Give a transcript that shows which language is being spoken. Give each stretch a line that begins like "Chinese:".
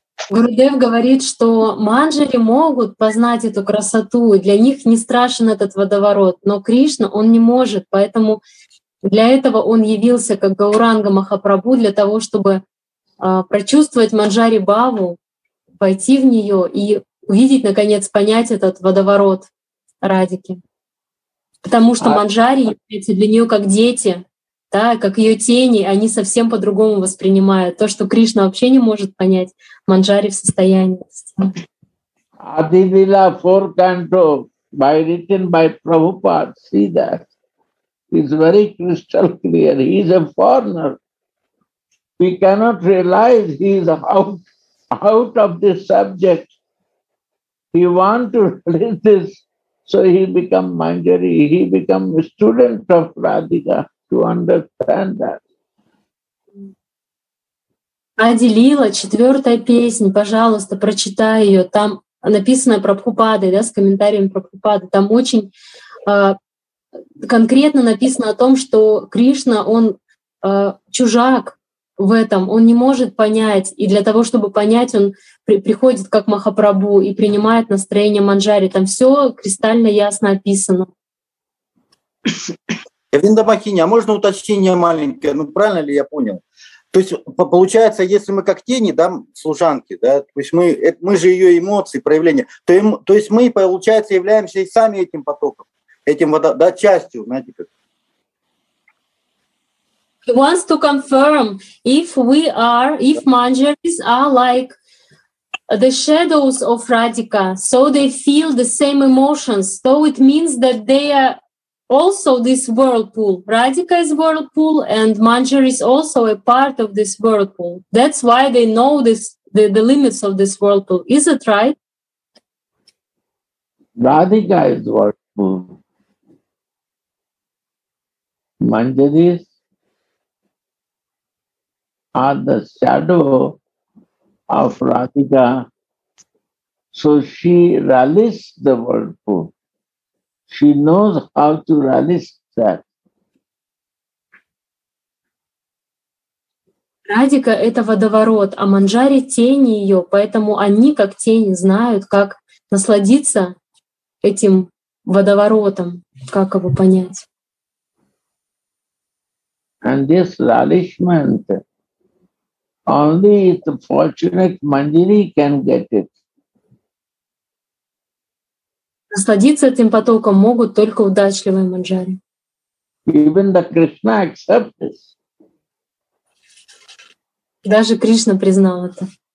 Russian: Gurudev говорит, что Манджари могут познать эту красоту, и для них не страшен этот водоворот, но Кришна, он не может, поэтому для этого он явился как Гауранга Махапрабху, для того, чтобы прочувствовать Манджари Баву, пойти в нее и увидеть, наконец, понять этот водоворот Радики. Потому что Манджари является для нее как дети, да, как ее тени, они совсем по-другому воспринимают то, что Кришна вообще не может понять, Манджари в состоянии.
English: Adivila four canto, by written by Prabhupada, see that. It's very crystal clear. He is a foreigner. We cannot realize he is out of this subject. He wants to read this, so he become Manjari, he become a student of Radhika to understand that.
Russian: Adilila, четвертая песня, пожалуйста, прочитай ее. Там написано Прабхупадой, да, с комментарием Прабхупады. Там очень конкретно написано о том, что Кришна, он чужак в этом, он не может понять. И для того, чтобы понять, он приходит как Махапрабху и принимает настроение Манджари. Там все кристально ясно описано. Винда Махини, а можно уточнение маленькое? Ну, правильно ли я понял? То есть получается, если мы как тени, да, служанки, да, то есть мы же ее эмоции, проявления, то есть мы, получается, являемся и сами этим потоком, этим водой, да, частью, знаете как.
English: He wants to confirm if we are, if Manjaris are like the shadows of Radhika, so they feel the same emotions, so it means that they are also this whirlpool. Radhika is whirlpool and Manjari is also a part of this whirlpool. That's why they know this, the limits of this whirlpool. Is it right? Radhika is whirlpool. Manjari are the shadow of Radhika. So she relishes the whirlpool. She knows how to relish that.
Russian: Радика — это водоворот, а Манджари — тени ее, поэтому они, как тени, знают, как насладиться этим водоворотом, как его понять.
English: And this relishment, only the fortunate Manjari can get it.
Russian: Насладиться этим потоком могут только удачливые манджари.
English: Even the Krishna accepts this.
Russian: Даже Кришна признал это.